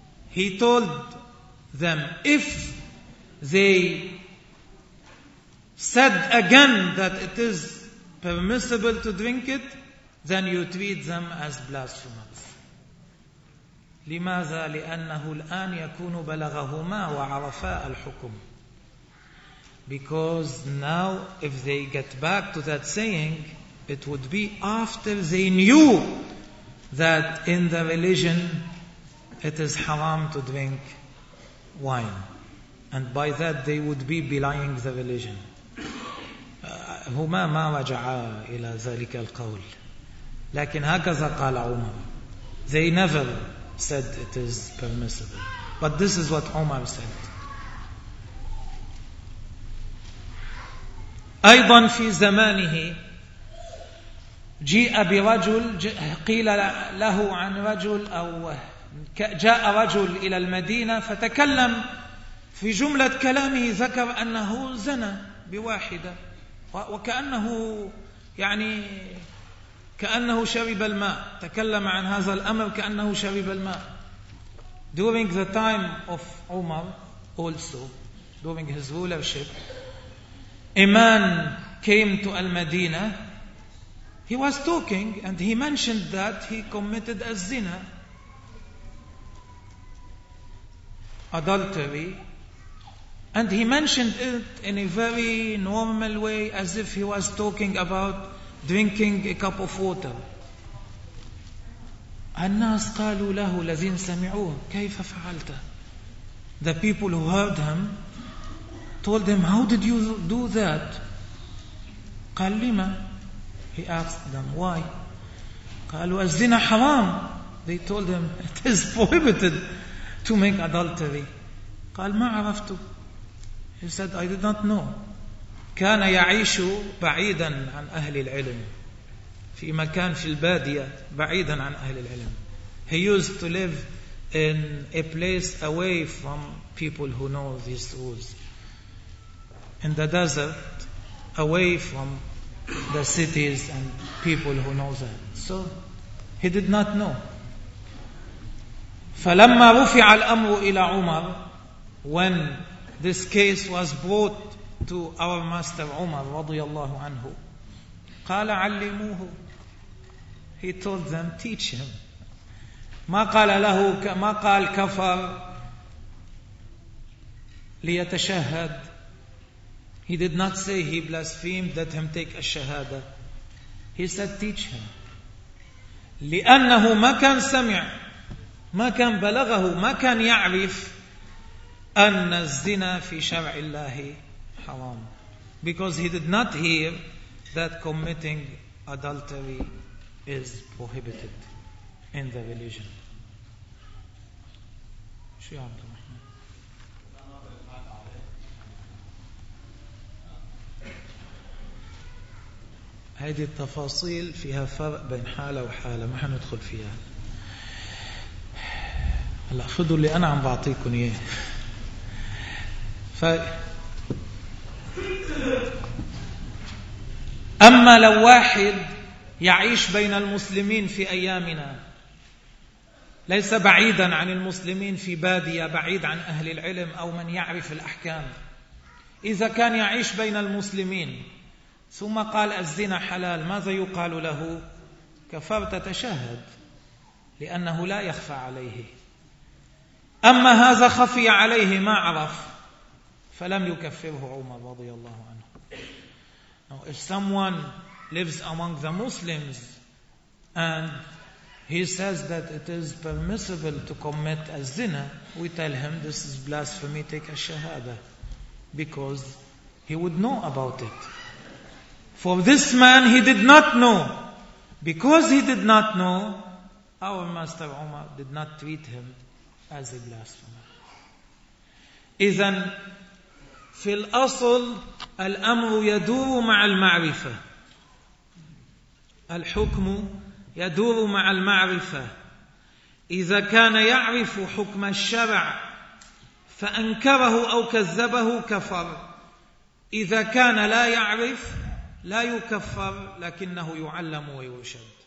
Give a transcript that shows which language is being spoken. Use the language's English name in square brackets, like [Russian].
[English] He told them, if they said again that it is permissible to drink it, then you treat them as blasphemers. [Arabic] لماذا؟ لأنه الآن يكون بلغهما وعرفا الحكم. [English] Because now if they get back to that saying, it would be after they knew that in the religion it is haram to drink wine. And by that they would be belying the religion. [Arabic] هما ما رجعا إلى ذلك القول. لكن هكذا قال عمر. [English] They never said it is permissible. But this is what Umar said. [Arabic] أيضا في زمانه جاء برجل قيل له عن رجل أو جاء رجل إلى المدينة فتكلم في جملة كلامه ذكر أنه زنى بواحدة وكأنه يعني كأنه شرب الماء تكلم عن هذا الأمر كأنه شرب الماء. [English] During the time of Umar also, during his rulership, a man came to Al-Madinah. He was talking and he mentioned that he committed a zina, adultery. And he mentioned it in a very normal way, as if he was talking about drinking a cup of water. [Arabic] الناس قالوا له الذين سمعوه كيف فعلت. [English] The people who heard him told him, how did you do that? [Arabic] قال لما. [English] He asked them why. [Arabic] قالوا الزنا حرام. [English] They told him it is prohibited to make adultery. [Arabic] قال ما عرفت. [English] He said, I did not know. [Arabic] كان يعيش بعيدا عن أهل العلم في مكان في البادية بعيدا عن أهل العلم. [English] He used to live in a place away from people who know these rules, in the desert, away from the cities and people who know that. So he did not know. [Arabic] فلما رفع الأمر إلى عمر, [English] when this case was brought to our master Umar [Arabic] رضي الله عنه, قال علموه. [English] He told them, teach him. [Arabic] ما قال له, ما قال كفر ليتشهد. [English] He did not say he blasphemed, let him take a shahada. He said, teach him. [Arabic] لأنه ما كان سمع, ما كان بلغه, ما كان يعرف أن الزنا في شرع الله حرام. [English] Because he did not hear that committing adultery is prohibited in the religion. [Arabic] شو يا عبد الرحمن؟ هذه التفاصيل فيها فرق بين حالة وحالة, ما حندخل فيها. هلا خذوا اللي انا عم بعطيكم اياه. اما لو واحد يعيش بين المسلمين في ايامنا ليس بعيدا عن المسلمين في بادية بعيد عن اهل العلم او من يعرف الاحكام، اذا كان يعيش بين المسلمين ثم قال الزنا حلال، ماذا يقال له؟ كفرت تشهد، لانه لا يخفى عليه. اما هذا خفي عليه ما عرف، فلم يكفره عمر رضي الله عنه. [English] Now, if someone lives among the Muslims and he says that it is permissible to commit a zina, we tell him this is blasphemy, take a shahada, because he would know about it. For this man, he did not know. Because he did not know, our master Umar did not treat him as a blasphemer. [Arabic] إذن في الأصل الأمر يدور مع المعرفة، الحكم يدور مع المعرفة. إذا كان يعرف حكم الشرع فأنكره أو كذبه كفر، إذا كان لا يعرف لا يكفر لكنه يعلم ويرشد.